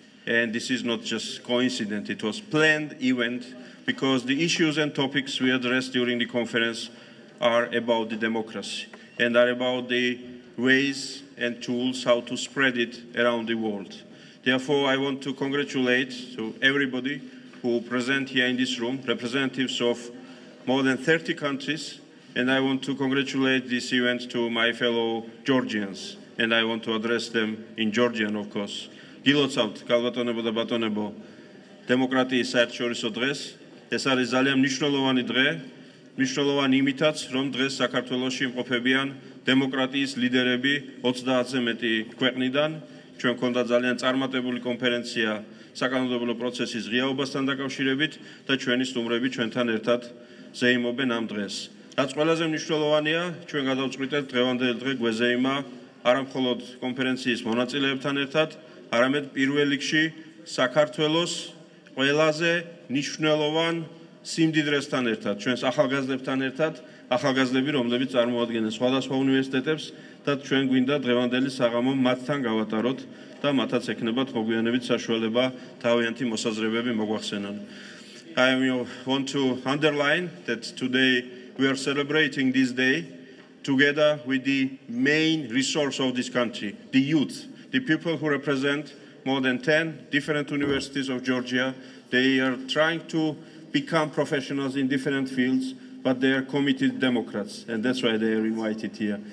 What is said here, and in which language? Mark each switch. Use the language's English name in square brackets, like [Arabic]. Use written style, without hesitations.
[English] And this is not just coincidence, it was a planned event, because the issues and topics we addressed during the conference are about the democracy and are about the ways and tools how to spread it around the world. Therefore, I want to congratulate to everybody who present here in this room, representatives of more than 30 countries, and I want to congratulate this event to my fellow Georgians, and I want to address them in Georgian, of course. [Georgian] Gilotsavt, kalbatonebo da batonebo, demokratiis saertshoriso dres, ეს არის ძალიან მნიშვნელოვანი დღე, მნიშვნელოვანი იმითაც, რომ დღეს საქართველოში იმყოფებიან დემოკრატიის ლიდერები 30-ზე მეტი ქვეყნიდან. ჩვენ ჰქონდა ძალიან წარმატებული კონფერენცია საკანონმდებლო პროცესის ღიაობასთან დაკავშირებით და ჩვენი სტუმრები ჩვენთან ერთად ზეიმობენ ამ დღეს. რაც ყველაზე მნიშვნელოვანია, ჩვენ გადავწყვიტეთ დღევანდელი დღე გვეზეიმა არამხოლოდ კონფერენციის მონაწილეებთან ერთად, არამედ პირველ რიგში საქართველოს ყველაზე მნიშვნელოვან სიმდიდრესთან ერთად, ჩვენს ახალგაზრდებთან ერთად, ახალგაზრდები, რომლებიც წარმოადგენენ სხვადასხვა უნივერსიტეტებს და ჩვენ გვინდა დღევანდელი საღამო მათთან გავატაროთ და მათაც ექნებათ მოგვიანებით საშუალება თავიანთი მოსაზრებები მოგვახსენონ. [English] I want to underline that today we are celebrating this day together with the main resource of this country, the youth, the people who represent more than 10 different universities of Georgia. They are trying to become professionals in different fields, but they are committed Democrats, and that's why they are invited here.